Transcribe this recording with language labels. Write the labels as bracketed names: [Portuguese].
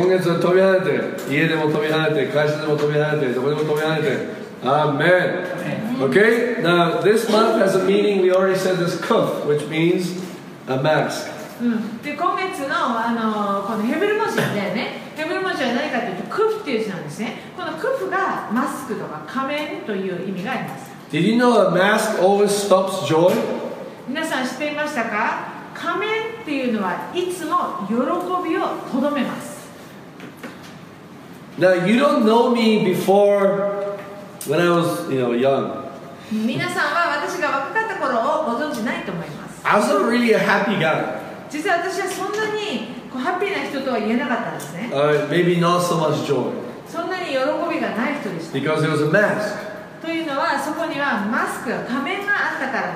[English] OK [Japanese] 今月は飛び跳ねて家でも飛び跳ねて会社でも飛び跳ねてどこでも飛び跳ねて [English] Amen OK Now this month has a meaning we already said this kuf which means a mask、 [Japanese] うん、で今月の、このヘブル文字だよねヘブル文字は何かというとクフっていう字なんですねこのクフがマスクとか仮面という意味があります [English] Did you know a mask always stops joy? [Japanese] 皆さん知っていましたか仮面っていうのはいつも喜びをとどめます。 [English] Now you don't know me before when I was, you know, young. [Japanese] 皆さんは私が若かった頃をご存知ないと思います。 [English] I was a really a happy guy. [Japanese] 実は私はそんなにこうハッピーな人とは言えなかったんですね。 [English] Maybe not so much joy. [Japanese] そんなに喜びがない人でした。 [English] Because it was a mask. [Japanese] というのはそこにはマスク、仮面があったから。